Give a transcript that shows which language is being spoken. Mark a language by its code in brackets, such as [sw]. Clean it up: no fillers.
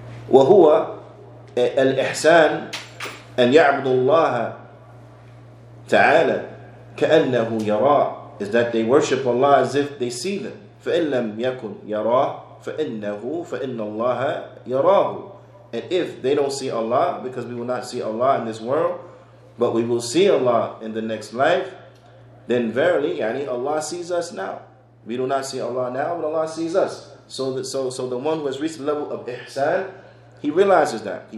[ar] وهو الإحسان أن يعبد الله تعالى كأنه يرى. [en] Is that they worship Allah as if they see them. [ar] فإن لم يكن يراه فإنه فإن الله يراه. [en] And if they don't see Allah, because we will not see Allah in this world, but we will see Allah in the next life, then verily, Allah sees us now. We do not see Allah now, but Allah sees us. So the one who has reached the level of Ihsan, he realizes that.